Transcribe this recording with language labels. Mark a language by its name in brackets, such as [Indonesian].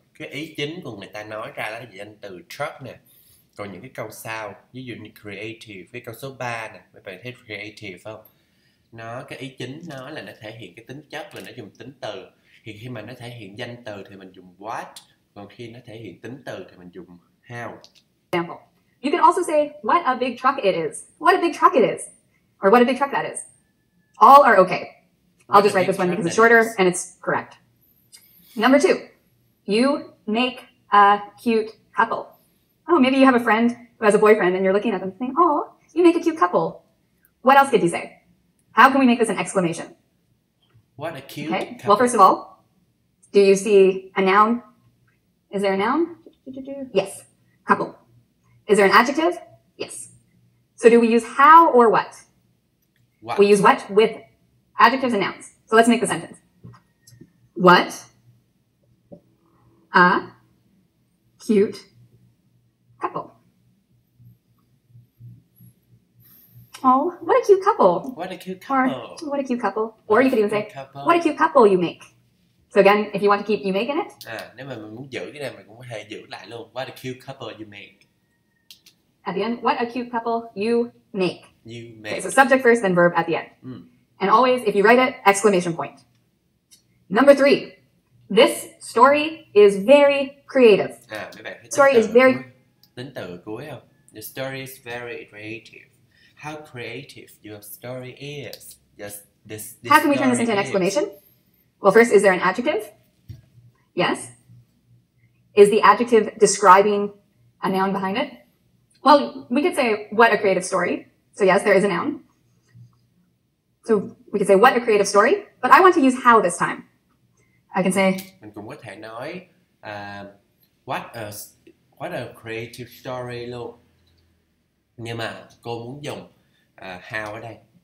[Vietnamese] Cái ý chính của người ta nói ra là danh từ truck nè. Còn những cái câu sau, ví dụ như creative, cái câu số 3 nè, mấy bạn thấy creative không? Nó, cái ý chính nó là nó thể hiện cái tính chất là nó dùng tính từ. Thì khi mà nó thể hiện danh từ thì mình dùng what. Còn khi nó thể hiện tính từ thì mình dùng how. [English] Example. You can also say, what a big truck it is. What a big truck it is. Or what a big truck that is. All are okay. I'll just write this one because it's shorter and it's correct. Number two. You make a cute couple. Oh, maybe you have a friend who has a boyfriend and you're looking at them saying, oh, you make a cute couple. What else could you say? How can we make this an exclamation? What a cute okay. couple. Well, first of all, do you see a noun? Is there a noun? Yes, couple. Is there an adjective? Yes. So do we use how or what? What? We use what with adjectives and nouns. So let's make the sentence. What a cute couple. Oh, what a cute couple. What a cute couple. Or, what a cute couple. Or you could even say, couple. What a cute couple you make. So again, if you want to keep you make in it. [Vietnamese] Nếu mà mình muốn giữ cái này, mình cũng có thể giữ lại luôn. [English] What a cute couple you make. At the end, what a cute couple you make. You make. Okay, so subject first, then verb at the end. Mm. And always, if you write it, exclamation point. Number three. This story is very creative. Story is very creative. [Vietnamese] Tính từ cuối không? [English] The story is very creative. How creative your story is. This how can we turn this into is. An exclamation? Well, first, is there an adjective? Yes. Is the adjective describing a noun behind it? Well, we could say, what a creative story. So yes, there is a noun. So we could say, what a creative story. But I want to use how this time. I can say, [Vietnamese] mình cũng có thể nói, [English] what a creative story [Vietnamese] luôn. Nhưng mà cô muốn dùng how ở đây.